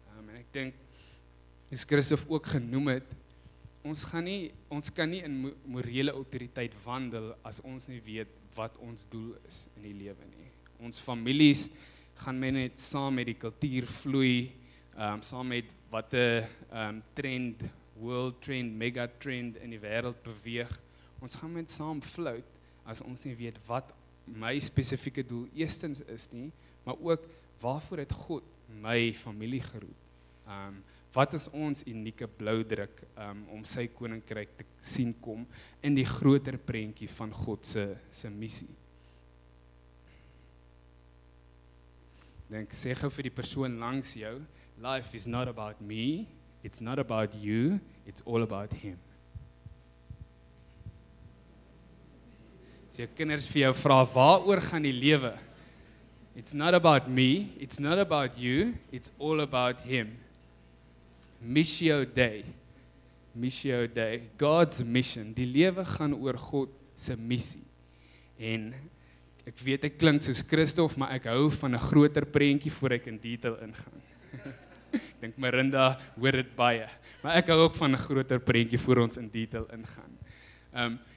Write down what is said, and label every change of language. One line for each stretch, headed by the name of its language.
Afrikaans: En ek dink, as Christof ook genoem het, ons kan nie in morele autoriteit wandel as ons nie weet wat ons doel is in die lewe nie. Ons families gaan men net saam met die kultuur vloei, saam met wat 'n trend, world trend, mega trend in die wêreld beweeg. Ons gaan met saam float as ons nie weet wat my spesifieke doel eerstens is nie, maar ook waarvoor het God my familie geroep. Wat is ons unieke bloudruk om sy koninkryk te sien kom in die groter prentjie van God se missie? Denk, sê gou vir die persoon langs jou,
English: life is not about me, it's not about you, it's all about him.
Afrikaans: As jou kinders vir jou vra, waaroor gaan die lewe?
English: It's not about me, it's not about you, it's all about him. Missio Dei. Missio Dei. God's mission.
Afrikaans: Die lewe gaan oor God se missie. En ek weet ek klink soos Christof, maar ek hou van 'n groter prentjie voor ek in detail ingaan. Ek dink Marinda hoor dit baie. Maar ek hou ook van 'n groter prentjie voor ons in detail ingaan.